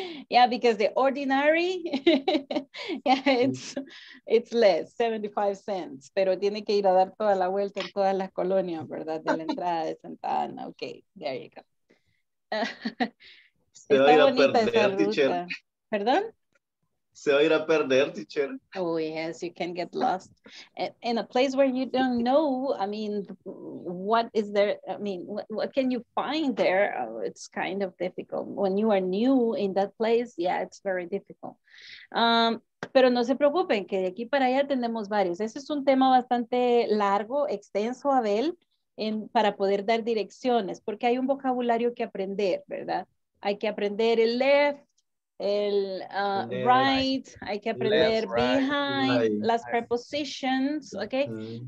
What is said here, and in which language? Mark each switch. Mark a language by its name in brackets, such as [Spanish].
[English] Yeah, because the ordinary, yeah, it's less, 75 cents. [Spanish] Pero tiene que ir a dar toda la vuelta en todas las colonias, ¿verdad? De la entrada de Santa Ana. [English] Okay, there you go. [Spanish] Se va a ir a perder, teacher. ¿Perdón? Se va a ir a perder, teacher. [English] Oh, yes, you can get lost. In a place where you don't know, I mean, what is there? I mean, what can you find there? Oh, it's kind of difficult. When you are new in that place, yeah, it's very difficult. [Spanish] Pero no se preocupen, que de aquí para allá tenemos varios. Ese es un tema bastante largo, extenso, Abel, para poder dar direcciones, porque hay un vocabulario que aprender, ¿verdad? Hay que aprender el left, el right, hay que aprender left, right, behind, right, las prepositions, ok.